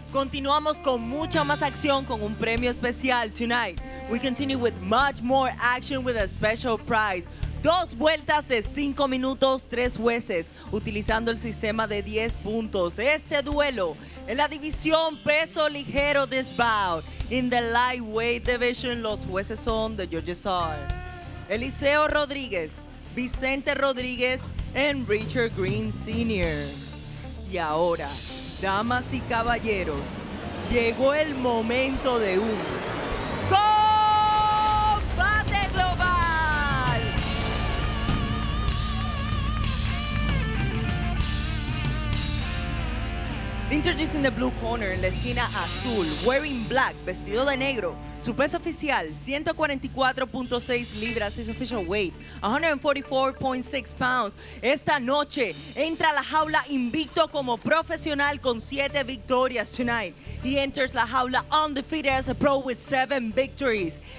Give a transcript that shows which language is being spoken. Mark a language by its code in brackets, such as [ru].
[es] Continuamos con mucha más acción con un premio especial tonight. [en] We continue with much more action with a special prize. [es] Dos vueltas de 5 minutos, 3 jueces, utilizando el sistema de 10 puntos. Este duelo en la división peso ligero [en] this bout. In the lightweight division, [es] los jueces son [en] the judges are Eliseo Rodríguez, Vicente Rodríguez, and Richard Green Sr. [es] Y ahora, damas y caballeros, llegó el momento de un combate global. [en] Introducing the blue corner, [es] la esquina azul, [en] wearing black, [es] vestido de negro, su peso oficial 144.6 libras, [en] his official weight 144.6 pounds. [es] Esta noche entra a la jaula invicto como profesional con 7 victorias tonight. [en] He enters [es] la jaula [en] undefeated as a pro with 7 victories.